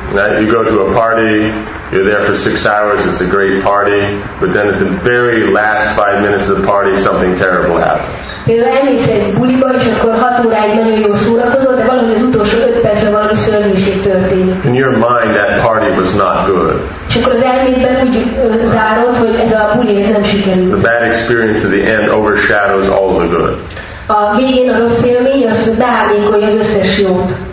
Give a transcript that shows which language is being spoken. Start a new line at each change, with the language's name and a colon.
English: Now you go to a party, you're there for 6 hours, it's a great party, but then at the very last 5 minutes of the party, something terrible happens.
Hungarian: Például elmész egy buliba, és akkor 6 óráig nagyon jól szórakozol, de valami az utolsó 5 percben valami szörnyűség történik.
English: In your mind, that party was not good.
Hungarian: És akkor az elmédben úgy zárod, hogy ez a buli, ez nem sikerült.
English: The bad experience at the end overshadows all the good.
Hungarian: A végén a rossz élmény, az beárnyékolja az összes jót.